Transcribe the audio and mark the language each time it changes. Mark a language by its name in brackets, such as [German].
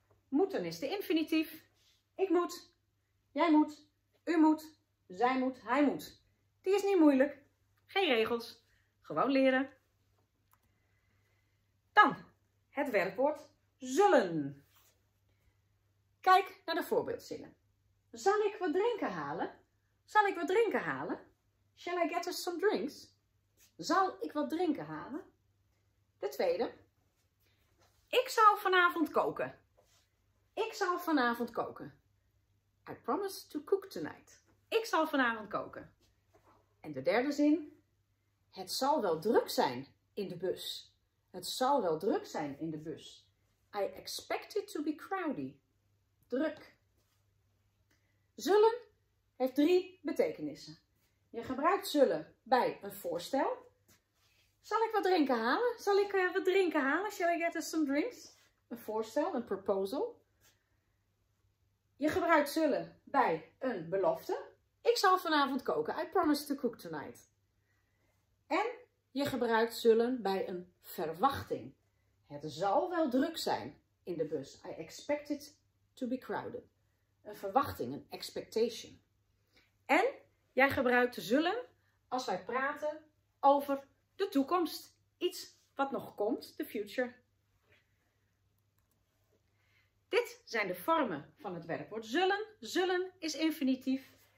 [Dutch] Moeten is de infinitief. Ik moet, jij moet, u moet, zij moet, hij moet. Die is niet moeilijk. Geen regels. Gewoon leren. Dan het werkwoord zullen. Kijk naar de voorbeeldzinnen. Zal ik wat drinken halen? Zal ik wat drinken halen? [English] Shall I get us some drinks? [Dutch] Zal ik wat drinken halen? De tweede. Ik zal vanavond koken. Ik zal vanavond koken. [English] I promise to cook tonight. [Dutch] Ik zal vanavond koken. En de derde zin. Het zal wel druk zijn in de bus. Het zal wel druk zijn in de bus. [English] I expect it to be crowded. [Dutch] Druk. Zullen heeft 3 betekenissen. Je gebruikt zullen bij een voorstel. Zal ik wat drinken halen? Zal ik wat drinken halen? [English] Shall I get us some drinks? [Dutch] Een voorstel, een proposal. Je gebruikt zullen bij een belofte. Ik zal vanavond koken. [English] I promise to cook tonight. [Dutch] En je gebruikt zullen bij een verwachting. Het zal wel druk zijn in de bus. [English] I expect it to be crowded. [Dutch] Een verwachting, een expectation. En jij gebruikt zullen als wij praten over de toekomst. Iets wat nog komt, the future. Dit zijn de vormen van het werkwoord zullen. Zullen is infinitief.